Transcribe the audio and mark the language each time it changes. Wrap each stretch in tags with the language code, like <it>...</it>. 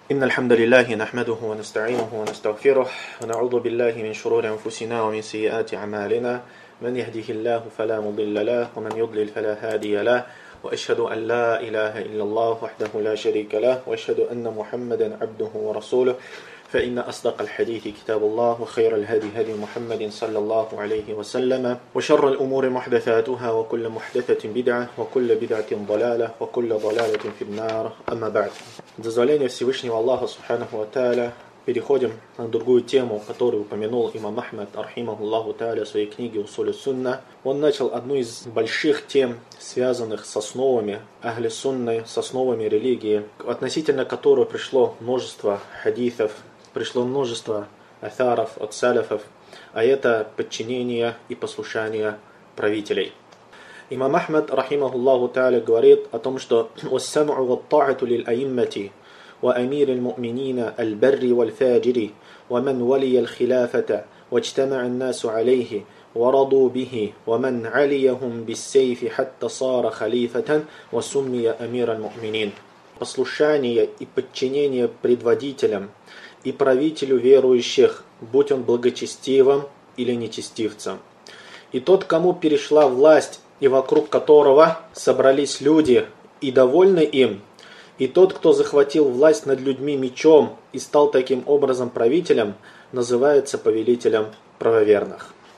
<ar>إن الحمد لله نحمده ونستعينه ونستغفره ونعوذ بالله من شرور أنفسنا ومن سيئات أعمالنا من يهده الله فلا مضل له ومن يضلل فلا هادي له وأشهد أن لا إله إلا الله وحده لا شريك له وأشهد أن محمدا عبده ورسوله فإن أصدق الحديث كتاب الله وخير الهدي هدي محمد صلى الله عليه وسلم وشر الأمور محدثاتها وكل محدثة بدعة وكل بدعة ضلالة وكل ضلالة في النار أما بعد.</ar> <ru>Дозволение Всевышнего Аллаха Субханаху ва Тааля. Переходим на другую тему, которую упомянул имам Ахмад Архимахуллаху Тааля в своей книге «Усуль Сунна». Он начал одну из больших тем, связанных с основами Ахли Сунны, с основами религии, относительно которого пришло множество хадисов, пришло множество атаров от салифов, а это подчинение и послушание правителей. Имам Ахмад Рахимахуллаху Тааля говорит о том, что</ru> <ar>«Вассаму ваттаату лил аиммати». وأمير المؤمنين البر والفاجر ومن ولي الخلافة واجتمع الناس عليه ورضوا به ومن عليهم بالسيف حتى صار خليفة وسمي أمير المؤمنين.</ar> <ru>Послушание и подчинение предводителям и правителю верующих, будь он благочестивым или нечестивцем. И тот, кому перешла власть и вокруг которого собрались люди и довольны им, и тот, кто захватил власть над людьми мечом и стал таким образом правителем, называется повелителем правоверных.</ru>